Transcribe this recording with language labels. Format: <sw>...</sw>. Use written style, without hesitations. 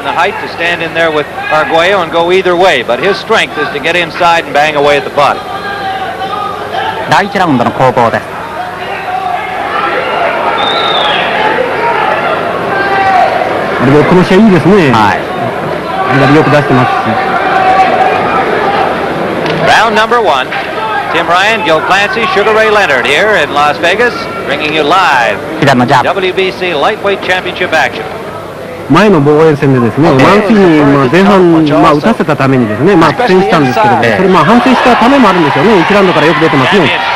<en>The height to stand in there with Arguello and go either way, but his strength is to get inside and bang away at the body.</en> <ja>第1ラウンドの攻防です。あれでこの試合いいですね。はい。あれでよく出してますし。</ja> <en>Round number one. Tim Ryan, Gil Clancy, Sugar Ray Leonard here in Las Vegas, bringing you live WBC Lightweight Championship action.</en> <ja>前の防衛戦でですね、マンフィーに前半、まあ、打たせたためにですね、まあ、苦戦したんですけども、それまあ反省したためもあるんですよね、1ラウンドからよく出てますね。</ja>